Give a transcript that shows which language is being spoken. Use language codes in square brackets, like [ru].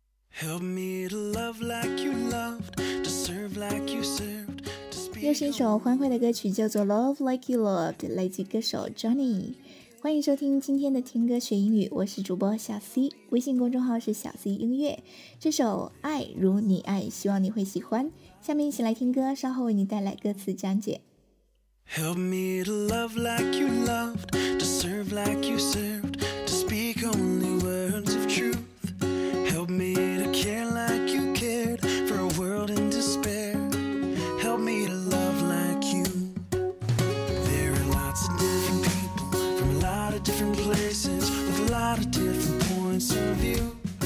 [en] Help me to love like you loved, to serve like you served, to speak. [zh] 又是一首欢快的歌曲，叫做 Love Like You Loved， 来自歌手 Johnny。欢迎收听今天的听歌学英语，我是主播小 C， 微信公众号是小 C 音乐。这首《爱如你爱》，希望你会喜欢。下面一起来听歌，稍后为你带来歌词讲解。 [en] Help me to love like you loved, to serve like you served, to speak only words of truth. Help me to care like you cared for a world in despair. Help me to love like you. There are lots of different people from a lot of different places with a lot of different points of view.